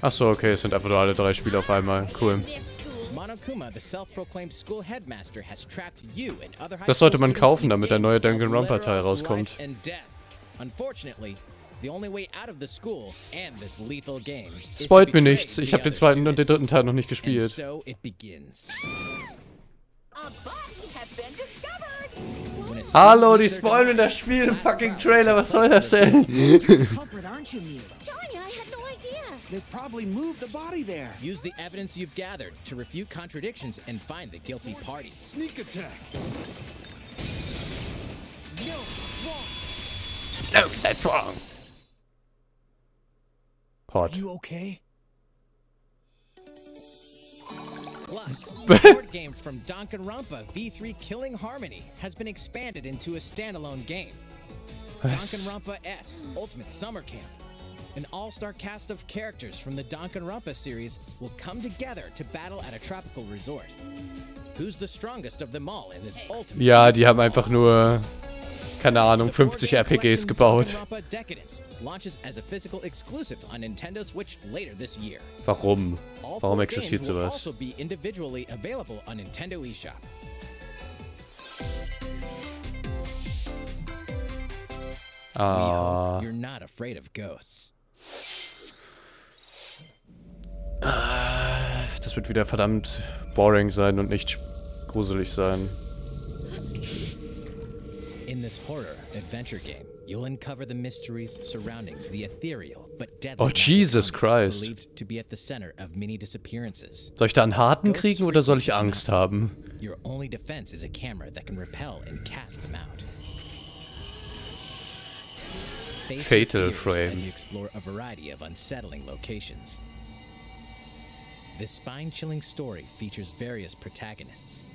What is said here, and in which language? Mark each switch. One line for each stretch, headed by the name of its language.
German: Ach so, okay, es sind einfach nur alle drei Spiele auf einmal. Cool.
English: Monokuma, the self-proclaimed school headmaster, has trapped you and other high.
German: Das sollte man kaufen, damit der neue Danganronpa Teil rauskommt.
English: Unfortunately, the only way out of the school and this lethal game.
German: Spoilt mir nichts. Ich habe den zweiten und den dritten Teil noch nicht gespielt.
English: So it begins. A body has been discovered.
German: Hallo, die spoilen mir das Spiel im fucking Trailer. Was soll das denn?
English: Culprit, aren't you, Mew? Tony, I had no idea. They probably moved the body there. Use the evidence you've gathered to refute contradictions and find the guilty party. Sneak attack. No, that's wrong. No, that's wrong. Hot. Are you okay? Plus, board game from Danganronpa V3 Killing Harmony has been expanded into a standalone game. Danganronpa S Ultimate Summer Camp. An all-star cast of characters from the Danganronpa series will come together to battle at a tropical resort. Who's the strongest of them all in this ultimate?
German: Ja, die haben einfach nur, keine Ahnung, 50 RPGs gebaut.
English: Launches as a physical exclusive on Nintendo Switch later this year.
German: Warum? Warum existiert sowas? All
English: games will also be individually available on Nintendo eShop. Ah. You're not afraid of ghosts.
German: Das wird wieder verdammt boring sein und nicht gruselig sein.
English: In this horror adventure game, you'll uncover the mysteries surrounding the ethereal but deadly. Oh Jesus Christ. Believed to be at the center of many disappearances.
German: Soll ich da einen harten kriegen oder soll ich Angst haben?
English: Your only defense is a camera that can repel and cast them out. Fatal frame. As you explore a variety of unsettling locations. This spine-chilling story features various protagonists.